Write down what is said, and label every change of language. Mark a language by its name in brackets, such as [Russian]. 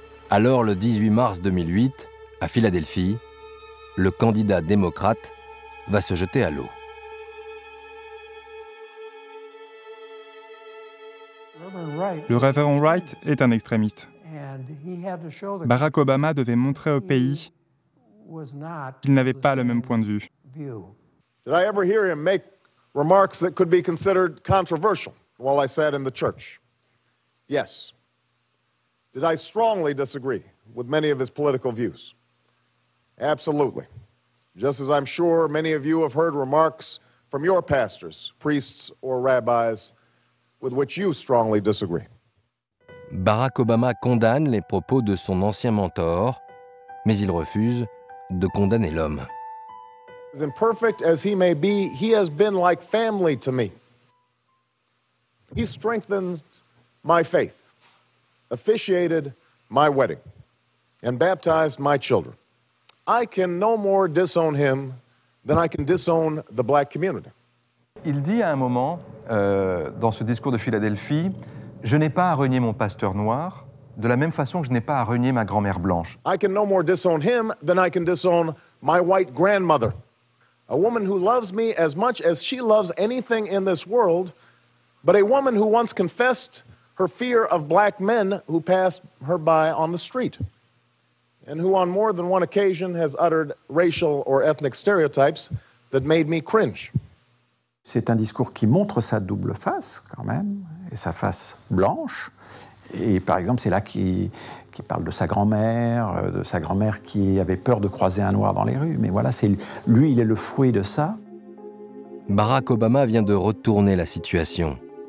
[French] Alors, le 18 mars 2008, à Philadelphie, le candidat démocrate va se jeter à l'eau. Le révérend Wright est un extrémiste. Barack Obama devait montrer au pays qu'il n'avait pas le même point de vue. [English] Did I ever hear him make remarks that could be considered controversial while I sat in the church? Yes. Did I strongly disagree with many of his political views? Absolutely. Just as I'm sure many of you have heard remarks from your pastors, priests or rabbis with which you strongly disagree. [French] Barack Obama condamne les propos de son ancien mentor, mais il refuse de condamner l'homme. [English] As imperfect as he may be, he has been like family to me. He strengthened my faith, officiated my wedding, and baptized my children. I can no more disown him than I can disown the black community. [French] Il dit à un moment, dans ce discours de Philadelphie, je n'ai pas à renier mon pasteur noir, de la même façon que je n'ai pas à renier ma grand-mère blanche. [English] I can no more disown him than I can disown my white grandmother, a woman who loves me as much as she loves anything in this world, but a woman who once confessed her fear of black men who passed her by on the street, and who on more than one occasion has uttered racial or ethnic stereotypes that made me cringe. [French] C'est un discours qui montre sa double face, quand même, et sa face blanche. Et par exemple, c'est là qu'il parle de sa grand-mère qui avait peur de croiser un noir dans les rues. Mais voilà, c'est lui, il est le fruit de ça. Barack Obama vient de retourner la situation.